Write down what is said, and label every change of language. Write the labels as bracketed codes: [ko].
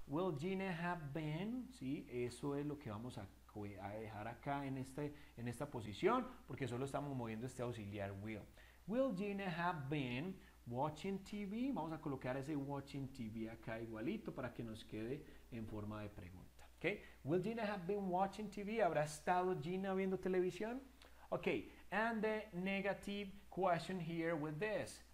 [en] Will Gina have been? [es] Sí, eso es lo que vamos a dejar acá en, este, en esta posición, porque solo estamos moviendo este auxiliar will. [en] Will Gina have been watching TV? [es] Vamos a colocar ese [en] watching TV [es] acá igualito para que nos quede en forma de pregunta. [en] Okay? Will Gina have been watching TV? [es] ¿Habrá estado Gina viendo televisión? [en] Okay, and the negative question here with this.